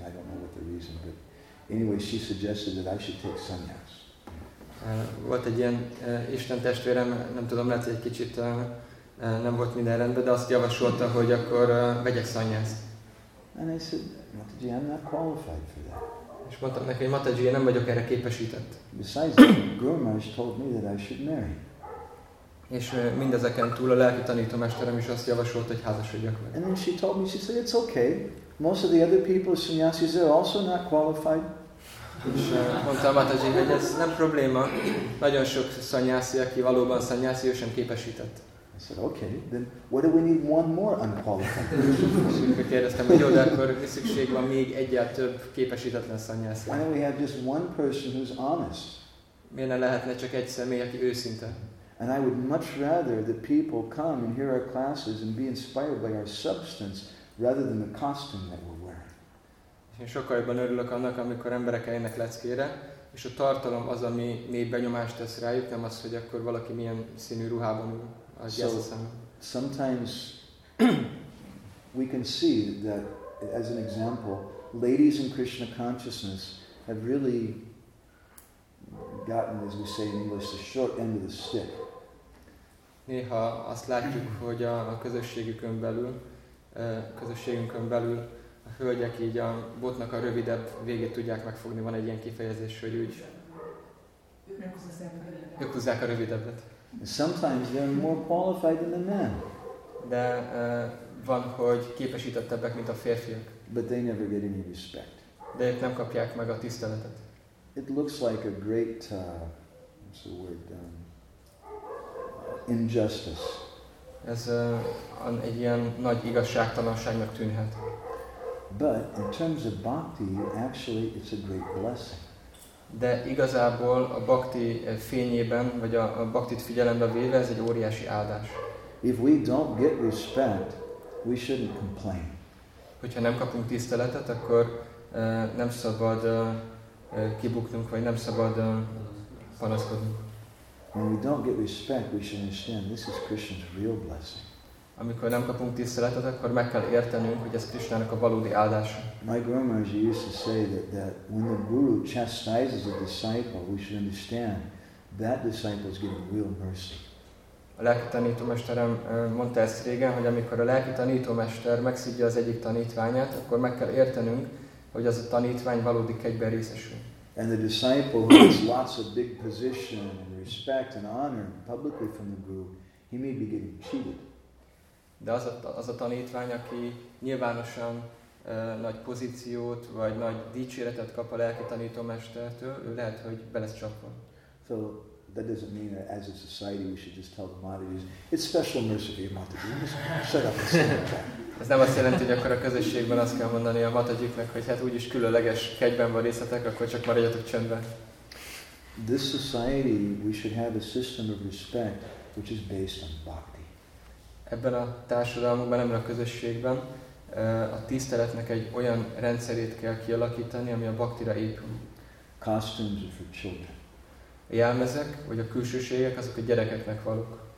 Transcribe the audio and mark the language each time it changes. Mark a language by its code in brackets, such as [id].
[en] I don't know what the reason, but anyway, she suggested that I should take sannyas. [hu] Volt egy ilyen Isten testvérem, nem tudom, lehet, hogy egy kicsit nem volt minden rendben, de azt javasolta, hogy akkor vegyek sannyas. [en] And I said, Mataji, I'm not qualified for that. [hu] És mondtam neki, hogy Mataji, én nem vagyok erre képesített. [en] Besides that, Guru Maharaj told me that I should marry. [hu] És mindezeken túl a lelki tanítómesterem is azt javasolt, hogy házasodjak meg. [en] And then she told me, she said, it's okay. Most of the other people, sannyasis, they're also not qualified. [hu] És mondta Mataji, hogy ez nem probléma. Nagyon sok sannyasi, aki valóban sannyasi, ő sem képesített. [en] I I said, okay, then what do we need one more unqualified? Why don't we have just one person who's honest? [hu] Miért ne lehetne csak egy személy, aki őszinte? [en] And I would much rather that people come and hear our classes and be inspired by our substance rather than the costume that we're wearing. [hu] Én sokkal jobban örülök annak, amikor emberek eljönnek leckére, és a tartalom az, ami mély benyomást tesz rájuk, nem az, hogy akkor valaki milyen színű ruhában ül. [en] Sometimes we can see that, as an example, ladies in Krishna consciousness have really gotten, as we say in English, the short end of the stick. [hu] Néha azt látjuk, hogy a közösségünkön belül a hölgyek így a botnak a rövidebb végét tudják megfogni. Van egy ilyen kifejezés, hogy úgy ők húzzák a rövidebbet. [en] Sometimes they're more qualified than the men. [hu] De van, hogy képesítettebbek, mint a férfiak. [en] But they never get any respect. [hu] De ők nem kapják meg a tiszteletet. [en] It looks like a great, what's the word, injustice. [hu] Ez egy ilyen nagy igazságtalanságnak tűnhet. [en] But in terms of bhakti, actually it's a great blessing. [hu] De igazából a bhakti fényében, vagy a bhaktit figyelembe véve, ez egy óriási áldás. [en] If we don't get respect, we shouldn't complain. [hu] Hogyha nem kapunk tiszteletet, akkor nem szabad kibuknunk, vagy nem szabad panaszkodnunk. [en] When we don't get respect, we should understand this is Krishna's real blessing. [hu] Amikor nem kapunk tiszteletet, akkor meg kell értenünk, hogy ez Krishnának a valódi áldása. [en] My Guru Maharaj used to say that when the guru chastises a disciple, we should understand that disciple is getting real mercy. [hu] A lelki tanítómesterem mondta ezt régen, hogy amikor a lelki tanítómester megszívja az egyik tanítványát, akkor meg kell értenünk, hogy az a tanítvány valódi kegyben részesül. [en] And the disciple who has lots of big position and respect and honor publicly from the guru, he may be getting cheated. [hu] De az a tanítvány, aki nyilvánosan nagy pozíciót vagy nagy dicséretet kap a lelki tanítómestertől, ő lehet, hogy be lesz csapva. [en] So that doesn't mean that as a society we should just tell the Mataji's, it's special mercy for your Mataji, you just set up a [hu] Ez nem azt jelenti, hogy akkor a közösségben azt kell mondani a Matajiknek, hogy hát úgyis különleges kegyben van részletek, akkor csak maradjatok csendben. [en] This society we should have a system of respect which is based on bhakti. [hu] Ebben a társadalmunkban, ebben a közösségben a tiszteletnek egy olyan rendszerét kell kialakítani, ami a bhaktira épül. [en] Costumes for children. [hu] A jelmezek, vagy a külsőségek, azok a gyerekeknek valók.